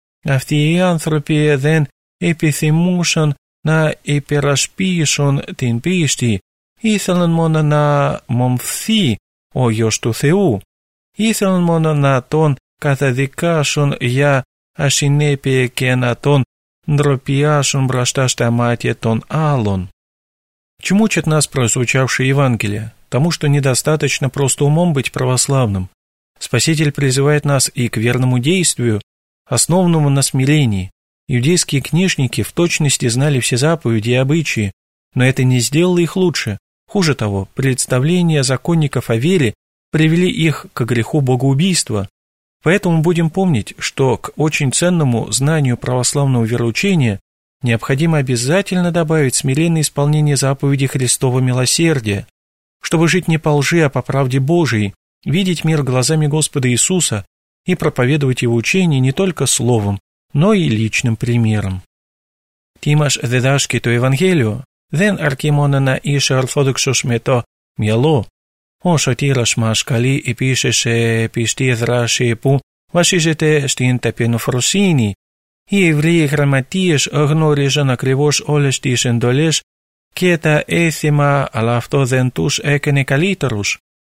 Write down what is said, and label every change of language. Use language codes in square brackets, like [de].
[el] Αυτοί οι άνθρωποι δεν επιθυμούσαν να υπερασπίσουν την πίστη, ήθελαν μόνο να μομφθεί ο Υιός του Θεού, ήθελαν μόνο να τον καταδικάσουν για ασυνέπεια και να τον ντροπιάσουν μπροστά στα μάτια των άλλων. [ru] Чему учит нас прозвучавшее Евангелие? Тому, что недостаточно просто умом быть православным. Спаситель призывает нас и к верному действию, основанному на смирении. Иудейские книжники в точности знали все заповеди и обычаи, но это не сделало их лучше. Хуже того, представления законников о вере привели их к греху богоубийства. Поэтому будем помнить, что к очень ценному знанию православного вероучения необходимо обязательно добавить смиренное исполнение заповеди Христова милосердия, чтобы жить не по лжи, а по правде Божией, видеть мир глазами Господа Иисуса и проповедовать Его учение не только словом, но и личным примером. [el] Тимаш дедашки то Евангелию, δεν αρκεί να είσαι ορθόδοξος με το μυαλό. Ο σωτήρας μας καλεί επίσης σε πιστή δράση που βασίζεται στην ταπεινοφροσύνη. Οι Εβραίοι γραμματείες γνώριζαν ακριβώς όλες τις εντολές και τα έθιμα, αλλά αυτό δεν τους έκανε καλύτερους.